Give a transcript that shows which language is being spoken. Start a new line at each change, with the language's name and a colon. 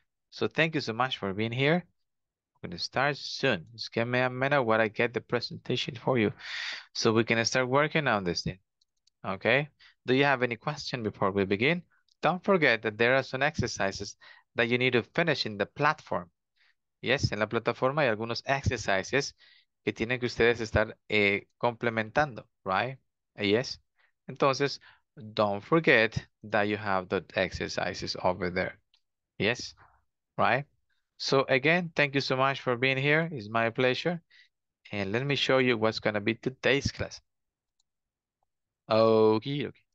English: So thank you so much for being here. We're gonna start soon. Just give me a minute while I get the presentation for you so we can start working on this thing. Okay. Do you have any question before we begin? Don't forget that there are some exercises that you need to finish in the platform.
Spanish: Yes, en la plataforma hay algunos exercises que tienen que ustedes estar complementando, right?
English: Yes. Entonces, don't forget that you have the exercises over there. Yes, right? So again, thank you so much for being here. It's my pleasure. And let me show you what's gonna be today's class. Okay.